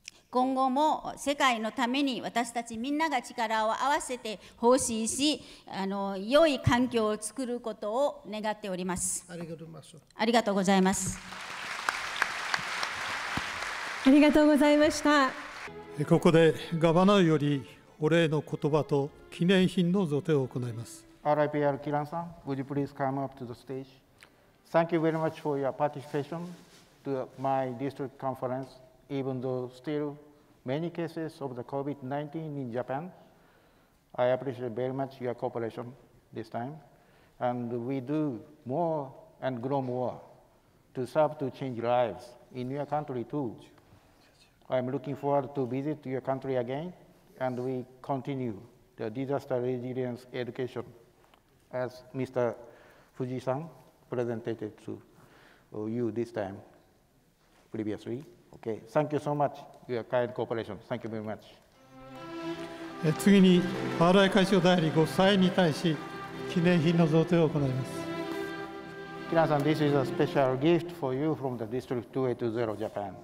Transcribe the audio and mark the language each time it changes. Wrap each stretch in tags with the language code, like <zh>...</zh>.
<ja>今後も世界のために私たちみんなが力を合わせて奉仕し、良い環境を作ることを願っております。ありがとうございます。ありがとうございます。ありがとうございました。ここでガバナーよりお礼の言葉と記念品の贈呈を行います。</ja> <en>RIPR Kiran さん、would you please come up to the stage? Thank you very much for your participation to my district conference. Even though still many cases of the COVID-19 in Japan, I appreciate very much your cooperation this time. And we do more and grow more to serve to change lives in your country too. I'm looking forward to visit your country again, and we continue the disaster resilience education as Mr. Fuji-san presented to you this time previously. Okay, thank you so much for your kind cooperation. Thank you very much.</en> <ja>次に RI 会長代理ご夫妻に対し記念品の贈呈を行います。</ja> <en>Kiran-san, this is a special gift for you from the District 2820 Japan.</en>